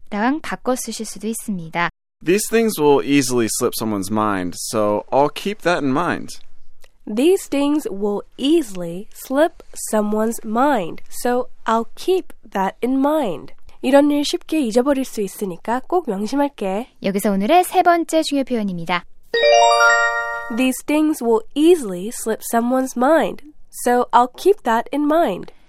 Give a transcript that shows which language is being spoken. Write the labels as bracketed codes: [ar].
[ko] 랑 바꿔 쓰실 수도 있습니다. [en] These things will easily slip someone's mind, so I'll keep that in mind. These things will easily slip someone's mind, so I'll keep that in mind. [ko] 이런 일 쉽게 잊어버릴 수 있으니까 꼭 명심할게. 여기서 오늘의 세 번째 중요 표현입니다. [en] These things will easily slip someone's mind, so I'll keep that in mind.